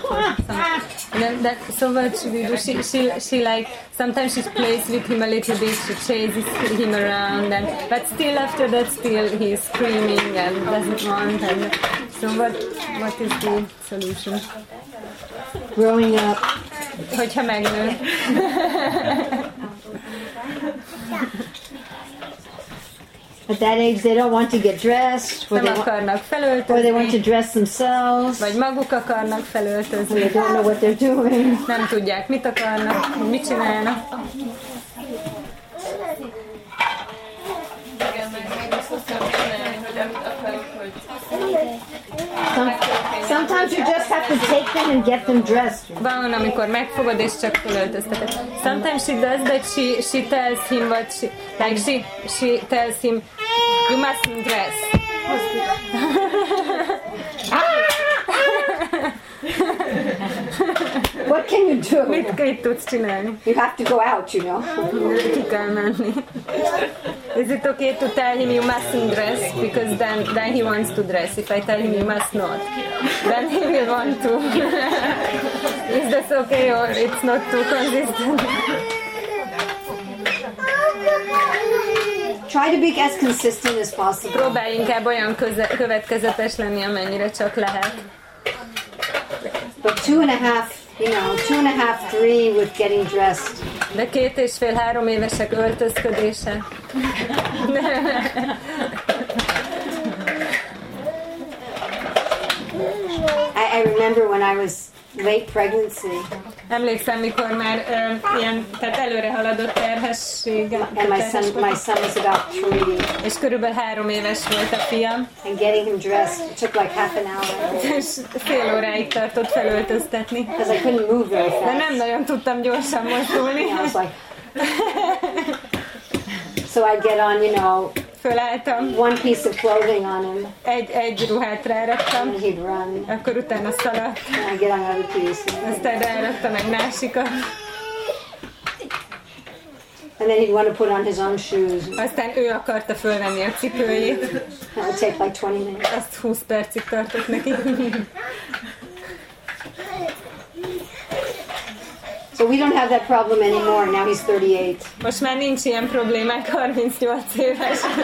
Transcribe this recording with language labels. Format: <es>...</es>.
<en>She like sometimes she plays with him a little bit, she chases him around, and but still after that still he's screaming and doesn't want. And so what is the solution? Growing up.</en> <hu>Hogyha megnő.</hu> <en>At that age, they don't want to get dressed.</en> <hu>Or nem akarnak felöltözni.</hu> <en>Or they want to dress themselves.</en> <hu>Vagy maguk akarnak felöltözni.</hu> <en>They don't know what they're doing.</en> <hu>Nem tudják, mit akarnak, mit csinálnak.</hu> <en>Sometimes you just have to take them and get them dressed.</en> <hu>Van, amikor megfogod és csak felöltözteted.</hu> <en>Sometimes she does that. She tells him what she like. She tells him, you mustn't dress. What can you do?</en> <hu>Mit kell tudsz csinálni?</hu> <en>You have to go out, you know.</en> <hu>Ki kell menni.</hu> <en>Is it okay to tell him you mustn't dress? Because then he wants to dress. If I tell him you must not, then he will want to. Is this okay or it's not too consistent? Try to be as consistent as possible.</en> <hu>Próbálj inkább olyan következetes lenni, amennyire csak lehet.</hu> <en>But two and a half, three with getting dressed.</en> <hu>De két és fél, három évesek öltözködése.</hu> <en>I remember when I was late pregnancy.</en> <hu>Emlékszem, mikor már ilyen, tehát előre haladott terhesség.</hu> <en>And my son was about three.</en> <hu>És körülbelül három éves volt a fiam.</hu> <en>And getting him dressed took like half an hour.</en> <hu>És fél óráig tartott felöltöztetni.</hu> <en>Because I couldn't move very fast.</en> <hu>De nem nagyon tudtam gyorsan mozdulni.</hu> <en>I was like... So I'd get on, you know,</en> <hu>fölálltam.</hu> <en>One piece of clothing on him.</en> <hu>Egy ruhát ráraktam.</hu> <en>And he'd run.</en> <hu>Akkor utána szaladt.</hu> <en>And I'd get on another piece.</en> <hu>Aztán ráraktam egy másikat.</hu> <en>And then he'd want to put on his own shoes.</en> <hu>Aztán ő akarta fölvenni a cipőjét.</hu> <en>It'd take like 20 minutes.</en> <hu>Azt 20 percig tartott neki.</hu> <en>So we don't have that problem anymore. Now he's 38.</en> <hu>Most már nincs ilyen problémák, 38 éves.</hu>